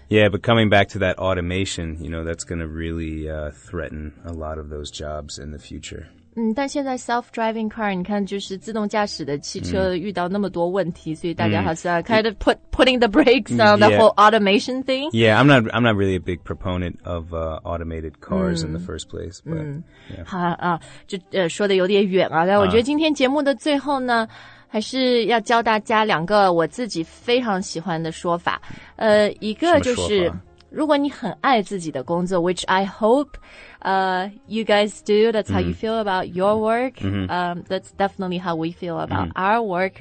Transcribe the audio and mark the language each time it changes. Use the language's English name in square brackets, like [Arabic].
[English] yeah, but coming back to that automation, you know, that's going to really threaten a lot of those jobs in the future. [Chinese] 但现在 self-driving car, 你看就是自动驾驶的汽车遇到那么多问题、所以大家好像 [English] kind of putting the brakes on、the whole automation thing. Yeah, I'm not really a big proponent of automated cars、in the first place. But,、 [Chinese] 好啊，就说的有点远啊，但我觉得今天节目的最后呢、还是要教大家两个我自己非常喜欢的说法。一个就是如果你很爱自己的工作 [English] ,which I hope, you guys do, that's how you feel about your work,、that's definitely how we feel about、our work.